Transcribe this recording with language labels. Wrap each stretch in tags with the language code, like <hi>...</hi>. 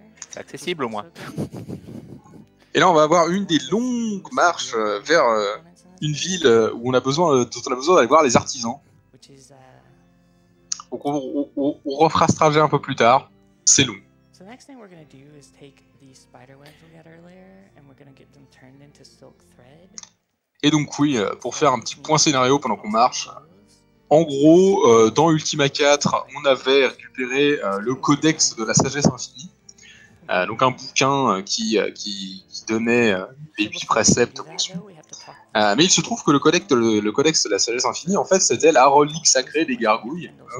<fr>C'est accessible au moins. Et là, on va avoir une des longues marches vers une ville où on a besoin d'aller voir les artisans. Donc on refera ce trajet un peu plus tard. C'est long.</fr> <en>The next thing we're going to do is take the spider webs we got earlier and we're going to get them turned into silk thread.</en> <fr>Et donc oui, pour faire un petit point scénario pendant qu'on marche. En gros, dans Ultima 4, on avait récupéré le codex de la sagesse infinie. Donc un bouquin qui donnait les 8 préceptes conçus. Mais il se trouve que le codex de la sagesse infinie, en fait, c'était la relique sacrée des gargouilles.</fr>